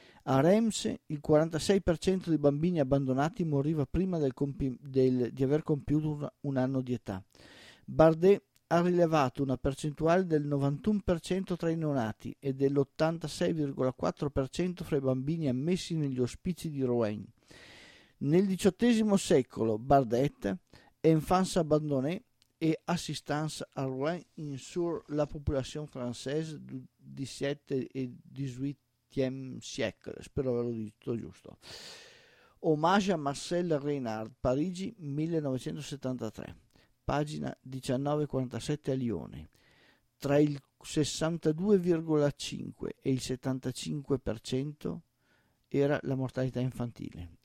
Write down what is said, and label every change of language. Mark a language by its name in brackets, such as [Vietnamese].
[Italian] A Reims il 46% dei bambini abbandonati moriva prima di aver compiuto un anno di età. Bardet ha rilevato una percentuale del 91% tra i neonati e dell'86,4% fra i bambini ammessi negli ospizi di Rouen. Nel XVIII secolo Bardet, [French] Enfance abbandonnée et assistance à Rouen sur la population française du XVIIe e XVIIIe siècle. [Italian] Spero averlo detto giusto. Omaggio a Marcel Reynard, Parigi 1973, pagina 1947 a Lione. Tra il 62,5 e il 75% era la mortalità infantile.